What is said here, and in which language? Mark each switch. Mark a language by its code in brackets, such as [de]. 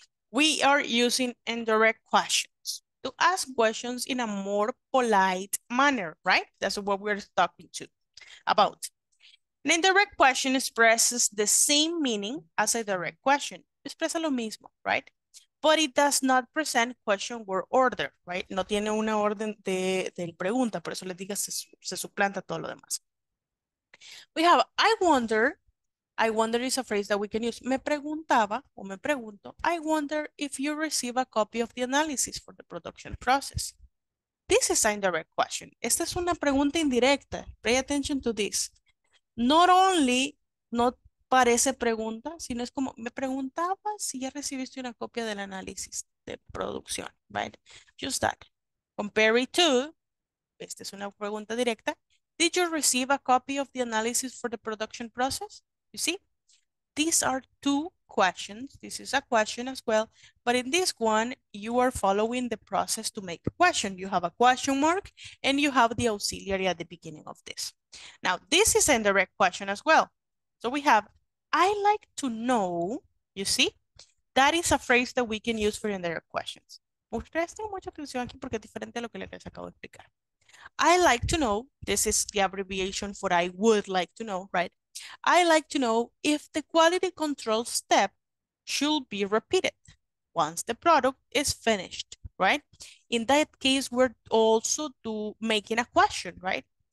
[en] We are using indirect questions to ask questions in a more polite manner, right? That's what we're talking to about. An indirect question expresses the same meaning as a direct question. [es] Expresa lo mismo, [en] right? But it does not present question word order, right? [es] No tiene una orden de pregunta, por eso les digo, se suplanta todo lo demás. [en] We have, I wonder is a phrase that we can use. [es] Me preguntaba, o me pregunto, [en] I wonder if you receive a copy of the analysis for the production process. This is a indirect question. [es] Esta es una pregunta indirecta. [en] Pay attention to this. Not only, [es] no parece pregunta, sino es como, me preguntaba si ya recibiste una copia del análisis de producción, [en] right? Just that. Compare it to, [es] esta es una pregunta directa, [en] did you receive a copy of the analysis for the production process? You see, these are two questions. This is a question as well, but in this one, you are following the process to make a question. You have a question mark and you have the auxiliary at the beginning of this. Now, this is an indirect question as well. So we have, I like to know, you see, that is a phrase that we can use for indirect questions. [es] Presten mucha atención aquí porque es diferente a lo que les acabo de explicar. [en] I like to know, this is the abbreviation for I would like to know, right? I like to know if the quality control step should be repeated once the product is finished, right? In that case, we're also making a question, right?